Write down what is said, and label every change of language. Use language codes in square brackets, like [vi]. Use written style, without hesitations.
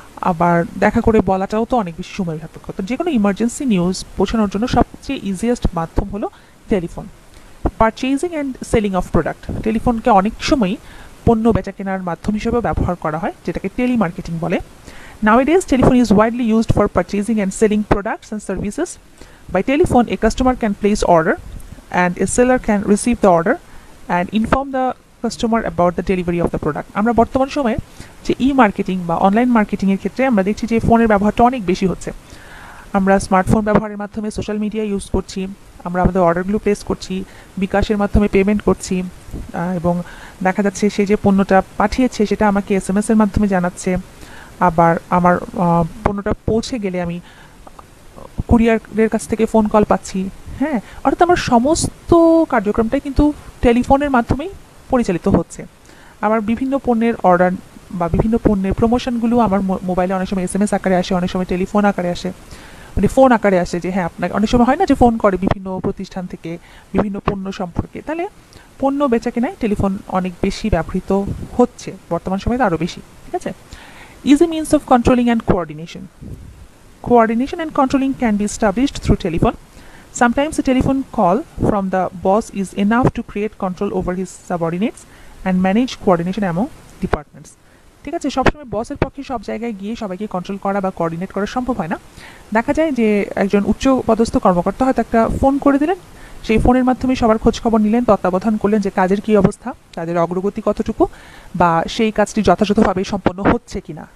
[bn] আবার দেখা করে বলাটাও তো অনেক বেশি সময় সাপেক্ষ। তো যে কোনো ইমার্জেন্সি নিউজ পৌঁছানোর জন্য সবচেয়ে ইজিয়েস্ট মাধ্যম হলো telephone. [en] purchasing and selling of product, [bn] টেলিফোনকে অনেক সময় পণ্য বেচা কেনার মাধ্যম হিসেবেও ব্যবহার করা হয়, যেটাকে টেলি মার্কেটিং বলে। [en] Nowadays, telephone is widely used for purchasing and selling products and services. By telephone, a customer can place order and a seller can receive the order and inform the customer about the delivery of the product. [bn] আমরা বর্তমান সময়ে যে e-marketing বা online marketing এর ক্ষেত্রে আমরা দেখছি যে ফোনের ব্যবহারটা অনেক বেশি হচ্ছে। আমরা স্মার্টফোন ব্যবহারের মাধ্যমে সোশ্যাল মিডিয়া ইউজ করছি, আমরা আমাদের অর্ডারগুলো প্লেস করছি, বিকাশের মাধ্যমে পেমেন্ট করছি, এবং দেখা যাচ্ছে সে যে পণ্যটা পাঠিয়েছে সেটা আমাকে SMS এর মাধ্যমে জানাচ্ছে, আবার আমার পণ্যটা পৌঁছে গেলে আমি কুরিয়ারের কাছ থেকে ফোন কল পাচ্ছি। হ্যাঁ, অর্থাৎ আমার সমস্ত কার্যক্রমটাই কিন্তু টেলিফোনের মাধ্যমেই পরিচালিত হচ্ছে। আমার বিভিন্ন পণ্যের অর্ডার বা বিভিন্ন পণ্যের প্রমোশনগুলো আমার মোবাইলে অনেক সময় SMS আকারে আসে, অনেক সময় টেলিফোন আকারে আসে, মানে ফোন আকারে আসে, যে হ্যাঁ আপনাকে অনেক সময় হয় না যে ফোন করে বিভিন্ন প্রতিষ্ঠান থেকে বিভিন্ন পণ্য সম্পর্কে। তাহলে পণ্য বেচা কেনায় টেলিফোন অনেক বেশি ব্যবহৃত হচ্ছে বর্তমান সময়ে, আরও বেশি, ঠিক আছে। [en] Easy means of controlling and coordination. Coordination and controlling can be established through telephone. Sometimes a telephone call from the boss is enough to create control over his subordinates and manage coordination among departments. [bn] ঠিক আছে, সবসময় বসের পক্ষে সব জায়গায় গিয়ে সবাইকে control করা বা কোঅর্ডিনেট করা সম্ভব হয় না। দেখা যায় যে একজন উচ্চ পদস্থ কর্মকর্তা হয়তো একটা ফোন করে দিলেন, সেই ফোনের মাধ্যমে সবার খোঁজ খবর নিলেন, তত্ত্বাবধান করলেন যে কাজের কী অবস্থা, তাদের অগ্রগতি কতটুকু, বা সেই কাজটি যথাযথভাবে সম্পন্ন হচ্ছে কি না।